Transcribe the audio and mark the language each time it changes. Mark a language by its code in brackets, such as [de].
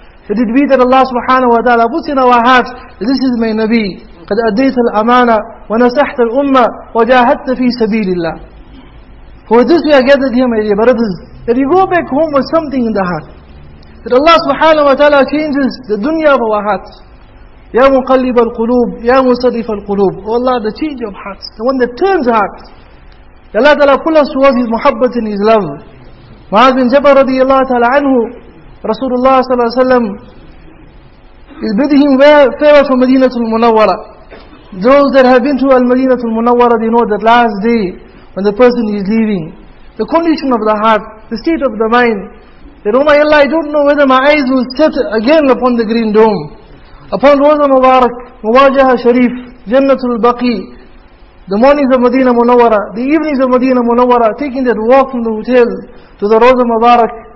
[en] It did be that Allah subhanahu wa ta'ala puts in our hearts, this is my Nabi, [ar] قد أديت الأمانة ونصحت الأمة وجاهدت في سبيل الله. [en] For this we are gathered here, my dear brothers, that we go back home with something in the heart. That Allah subhanahu wa ta'ala changes the dunya of our hearts. [ar] يا مقلب القلوب يا مصرف القلوب. [en] Oh Allah, the change of hearts, the one that turns hearts. Allah Ta'ala pull us towards His muhabbat and His love. Mu'adh bin Jabal radiyallahu ta'ala anhu, Rasulullah sallallahu alayhi wa sallam is bidding him farewell from Madinatul Munawwara. Those that have been to Al-Madinatul Munawwara, they know that last day when the person is leaving, the condition of the heart, the state of the mind, that oh my Allah, I don't know whether my eyes will set again upon the green dome, upon Rawdah Mubarak, Muwajaha Sharif, Jannatul Baqi, the mornings of Madina Munawwara, the evenings of Madina Munawwara, taking that walk from the hotel to the Rawdah Mubarak.